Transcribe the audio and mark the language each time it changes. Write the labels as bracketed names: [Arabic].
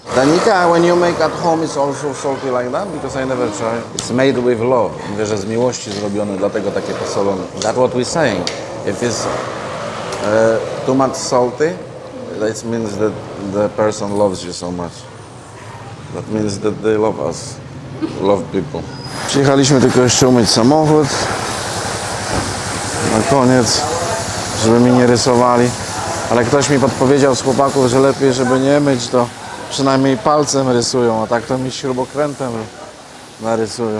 [English] Danika, when you make at home, it's also salty like that, because I never try. It's made with love. [Polish] Mówię, że z miłości zrobione, dlatego takie posolone. [English] That's what we're saying. If it's too much salty, that means that the person loves you so much. That means that they love us, love people. [Polish] Przyjechaliśmy tylko jeszcze umyć samochód. Na koniec, żeby mi nie rysowali. Ale ktoś mi podpowiedział z chłopaków, że lepiej, żeby nie myć, to przynajmniej palcem rysują, a tak to mi śrubokrętem narysują.